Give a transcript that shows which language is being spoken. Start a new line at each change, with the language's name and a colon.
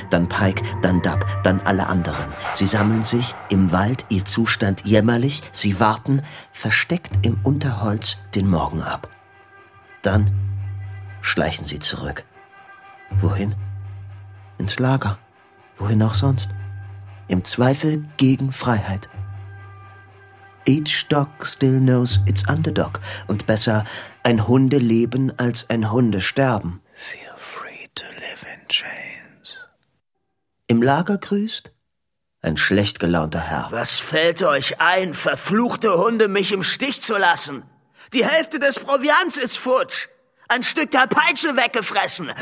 German: Dann Pike, dann Dub, dann alle anderen. Sie sammeln sich im Wald, ihr Zustand jämmerlich. Sie warten, versteckt im Unterholz, den Morgen ab. Dann schleichen sie zurück. Wohin? Ins Lager. Wohin auch sonst? Im Zweifel gegen Freiheit.
English: Each dog still knows its underdog.
German: Und besser ein Hundeleben als ein Hundesterben.
English: Chains.
German: Im Lager grüßt ein schlecht gelaunter Herr. Was fällt euch ein, verfluchte Hunde, mich im Stich zu lassen? Die Hälfte des Proviants ist futsch. Ein Stück der Peitsche weggefressen.